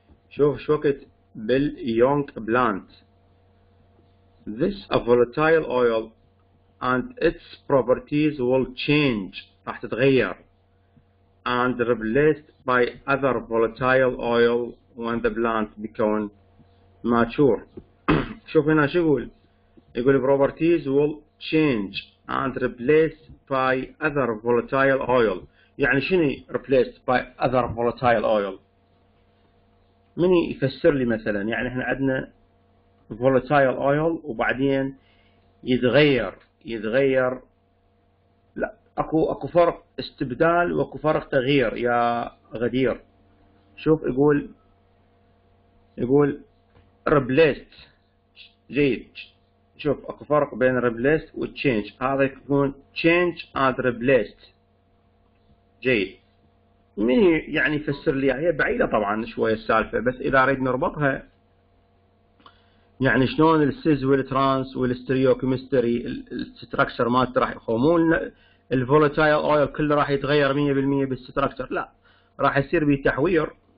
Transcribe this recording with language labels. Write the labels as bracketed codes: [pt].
[ar] شوف شو وقت بال young plant. [en] This a volatile oil and its properties will change، [ar] راح تتغير، [en] and replaced by other volatile oil when the plant become mature. [ar] شوف هنا شو يقول، يقول [en] properties will change and replaced by other volatile oil. [ar] يعني شنو [en] replaced by other volatile oil؟ [ar] من يفسر لي مثلا؟ يعني احنا عندنا volatile oil وبعدين يتغير. لا، اكو فرق استبدال واكو فرق تغيير يا غدير. شوف يقول replaced. جيد، شوف اكو فرق بين replaced و change. [en] هذا يكون change and replaced. [ar] جيد، من يعني يفسر لي؟ هي بعيدة طبعا شوية السالفة، بس اذا اريد نربطها يعني شلون السيز والترانس والستريوكيمستري الستركشر ما راح يقومون الفولاتايل اويل كله راح يتغير 100% بالستركشر، لا راح يصير بيه تحوير.